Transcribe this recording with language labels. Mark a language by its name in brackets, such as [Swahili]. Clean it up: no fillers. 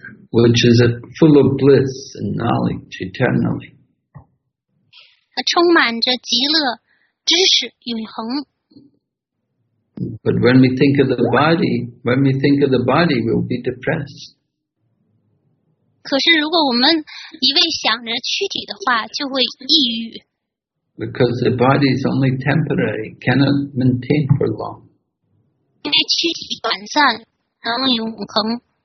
[English] which is full of bliss and knowledge eternally. [Chinese] 充满着极乐知识永恒。 [English] But when we think of the body, when we think of the body, we'll be depressed. [Chinese] 可是如果我们一味想着躯体的话，就会抑郁。 [English] Because the body is only temporary, cannot maintain for long.